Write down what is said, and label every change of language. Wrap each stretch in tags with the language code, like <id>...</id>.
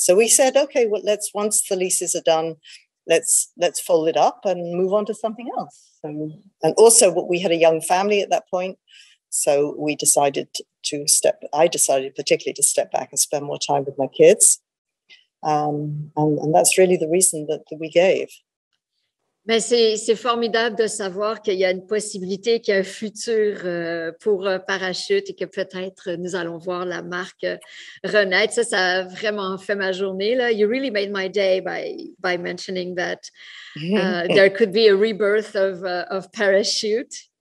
<en>So we said, okay, well, let's, once the leases are done, let's fold it up and move on to something else. And also, we had a young family at that point. So we decided to step, I decided particularly to step back and spend more time with my kids. And that's really the reason that we gave.</en> <fr>Mais c'est formidable de savoir qu'il y a une possibilité, qu'il y a un futur pour Parachute et que peut-être nous allons voir la marque renaître. Ça, ça a vraiment fait ma journée. Là.</fr> <en>You really made my day by mentioning that there could be a rebirth of Parachute.</en>